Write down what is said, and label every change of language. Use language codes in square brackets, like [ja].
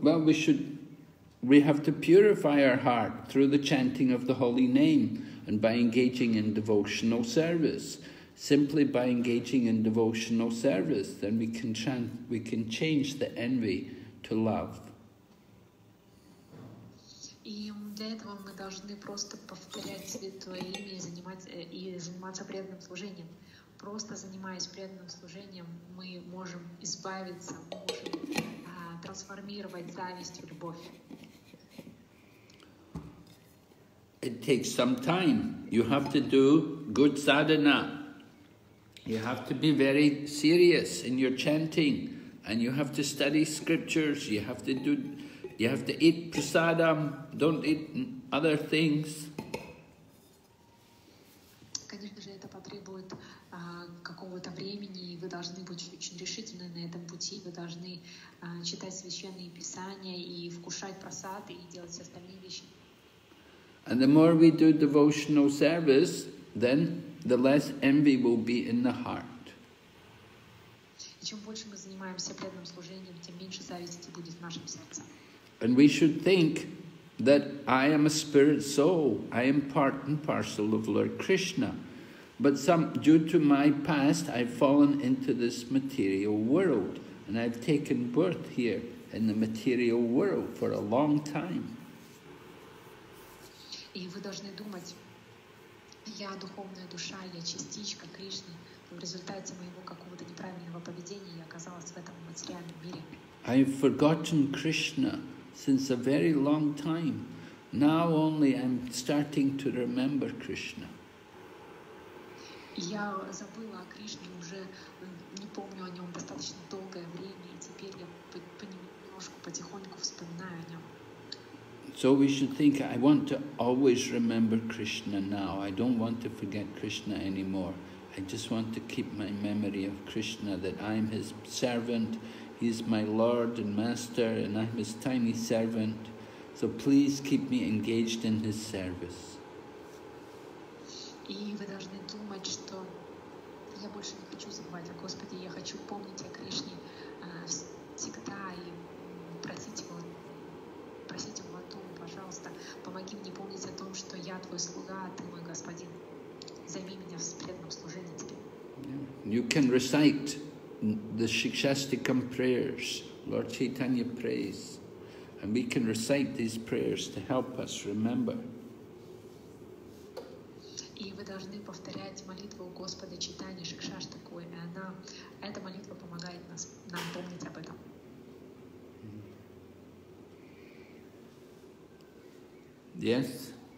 [en] Well, we have to purify our heart through the chanting of the holy name and by engaging in devotional service. Simply by engaging in devotional service, then we can change the envy to love. [ru] Для этого мы должны просто повторять святое имя и заниматься преданным служением. Просто занимаясь преданным служением, мы можем избавиться, трансформировать зависть в любовь. [en] It takes some time. You have to do good sadhana. You have to be very serious in your chanting, and you have to study scriptures. You have to eat prasadam, don't eat other things. [ru] Конечно же, это потребует какого-то времени, и вы должны быть очень решительны на этом пути. Вы должны читать священные писания и вкушать прасад и делать все остальные вещи. [en] And the more we do devotional service, then the less envy will be in the heart. [ru] И чем больше мы занимаемся преданным служением, тем меньше зависти будет в нашем сердце. [en] And we should think that I am a spirit soul. I am part and parcel of Lord Krishna. But due to my past, I've fallen into this material world. And I've taken birth here in the material world for a long time. [ru] И вы должны думать, я духовная душа, я частичка Кришны. В результате моего какого-то неправильного поведения я оказалась в этом материальном мире. [en] I've forgotten Krishna. Since a very long time, now only I'm starting to remember Krishna. [ru] Я забыла о Кришне уже, не помню о нем достаточно долгое время, и теперь я понемножку, потихоньку вспоминаю о нем. [en] So we should think, I want to always remember Krishna now. I don't want to forget Krishna anymore. I just want to keep my memory of Krishna, that I'm his servant. He is my Lord and Master, and I am his tiny servant. So please keep me engaged in his service. [ru] И вы должны думать, что я больше не хочу забывать о Господе. Я хочу помнить о Кришне всегда и просить его о том, пожалуйста, помоги мне помнить о том, что я твой слуга, а ты мой Господин. Займи меня в преданном служении тебе. [en] You can recite the Shikshastikam prayers, Lord Chaitanya prays, and we can recite these prayers to help us remember. [ru] И вы должны повторять молитву Господа Чайтанья Шикшаштаку, и она, эта молитва помогает нам помнить об этом. [en] Yes?